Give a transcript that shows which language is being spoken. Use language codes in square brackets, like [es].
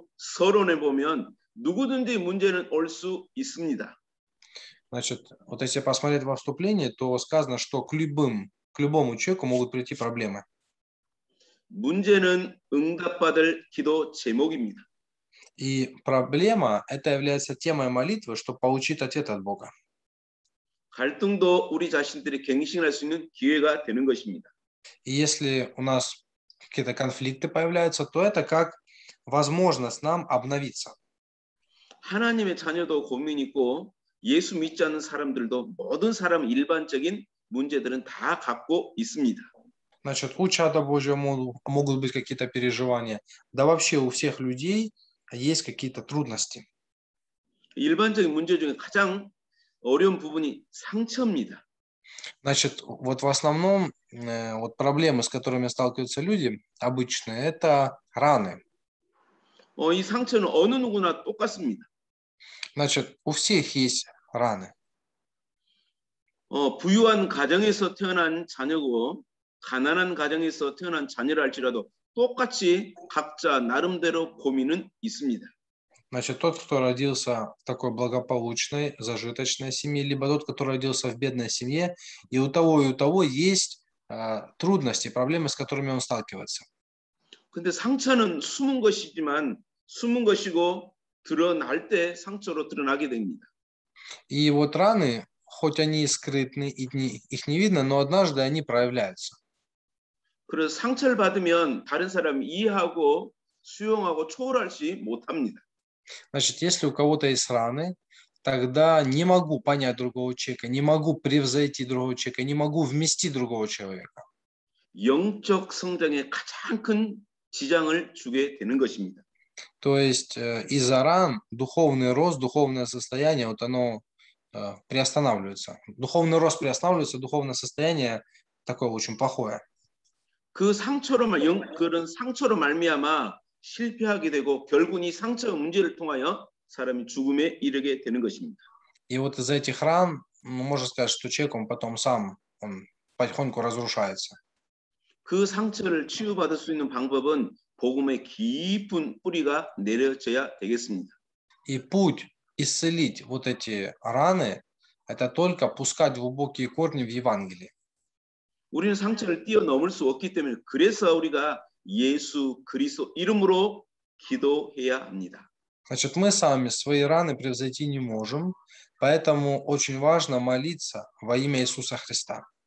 [ko] 서론에 보면 누구든지 문제는 올 수 있습니다. [ru] Значит, вот если посмотреть во вступлении, то сказано, что к любому человеку могут прийти проблемы. [ko] 문제는 응답받을 기도 제목입니다. [ru] И проблема это является темой молитвы, чтобы получить ответ от Бога. [ko] 갈등도 우리 자신들이 갱신할 수 있는 기회가 되는 것입니다. [ru] И если у нас какие-то конфликты появляются, то это как возможность нам обновиться. [ko] 하나님의 자녀도 고민 있고 예수 믿지 않는 사람들도 모든 사람 일반적인 문제들은 다 갖고 있습니다. [ru] Значит, у чада Божьего могут быть какие-то переживания. Да вообще у всех людей есть какие-то трудности. [ko] 일반적인 문제 중에 가장 어려운 부분이 상처입니다. [ru] Значит, вот в основном вот проблемы, с которыми сталкиваются люди обычные, это раны. [ko] 이 상처는 어느 누구나 똑같습니다. [ru] Значит, у всех есть раны. [ko] 부유한 가정에서 태어난 자녀고 가난한 가정에서 태어난 자녀를 할지라도 똑같이 각자 나름대로 고민은 있습니다. [ru] Значит, тот, кто родился в такой благополучной, зажиточной семье, либо тот, кто родился в бедной семье, и у того есть трудности, проблемы, с которыми он сталкивается. [ko] 근데 상처는 숨은 것이지만 숨은 것이고 드러날 때 상처로 드러나게 됩니다. [ru] И вот раны, хоть они и скрытны, их не видно, но однажды они проявляются. [ko] 그래서 상처를 받으면 다른 사람이 이해하고 수용하고 초월하지 못합니다. [ru] Значит, если у кого-то есть раны, тогда не могу понять другого человека, не могу превзойти другого человека, не могу вместить другого человека. [ko] 영적 성장에 가장 큰 지장을 주게 되는 것입니다. [ru] То есть из-за ран духовный рост, духовное состояние, вот оно приостанавливается. Духовный рост приостанавливается, духовное состояние такое очень плохое. [ko] 그 상처로 그런 상처로 말미암아 실패하게 되고 결국은 이 상처 문제를 통하여 사람이 죽음에 이르게 되는 것입니다. [ru] И вот из-за этих ран, можно сказать, что человек он потом сам он потихоньку разрушается. [ko] 그 상처를 치유받을 수 있는 방법은 복음의 깊은 뿌리가 내려져야 되겠습니다. [ru] И путь исцелить вот эти раны это только пускать глубокие корни в Евангелии. [ko] 우리는 상처를 뛰어넘을 수 없기 때문에 그래서 우리가 예수 그리스도 이름으로 기도해야 합니다. [ru] Значит, мы сами свои раны превзойти не можем, поэтому очень важно молиться во имя Иисуса Христа.